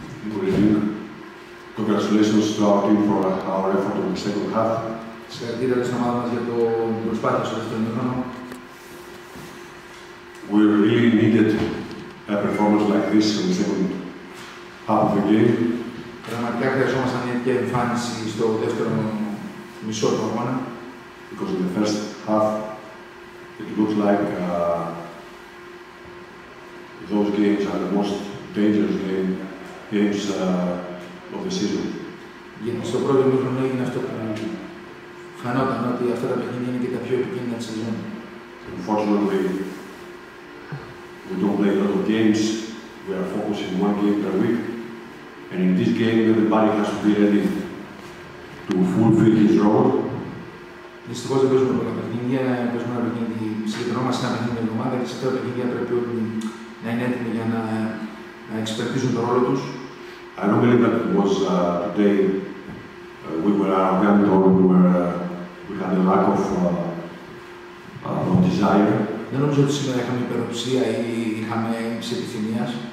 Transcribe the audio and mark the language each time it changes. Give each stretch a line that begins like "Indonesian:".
English: Congratulations to our team for our effort in the second half.
Greek: Συγχαρητήρια στην ομάδα μας για το προσπάθεια στο δεύτερο ημίχρονο.
English: We really needed a performance like this in the second half of the game.
Greek: Πραγματικά χρειαζόμασταν μια τέτοια εμφάνιση στο δεύτερο μισό του αγώνα.
English: Because in the first half it looked like those games are the most dangerous games of the season.
Greek: Γιατί στο πρώτο ημίχρονο έγινε αυτό που φανόταν, ότι αυτά τα παιχνίδια είναι και τα πιο επικίνδυνα της σεζόν.
English: Unfortunately, we don't play a lot of games. We are focusing one game per week. And in this game, everybody has to be ready to fulfill his role.
Greek: Δυστυχώς δεν παίζουμε πολλά παιχνίδια, παίζουμε ένα παιχνίδι, συγκεντρωνόμαστε ένα παιχνίδι εβδομάδα και σε αυτά τα παιχνίδια πρέπει όλοι να είναι έτοιμοι για να εξυπηρετήσουν τον ρόλο τους.
English: I don't believe that it was today we were arrogant or we had a lack of desire.
Greek: Δεν νομίζω ότι σήμερα είχαμε υπεροψία ή είχαμε έλλειψη επιθυμίας.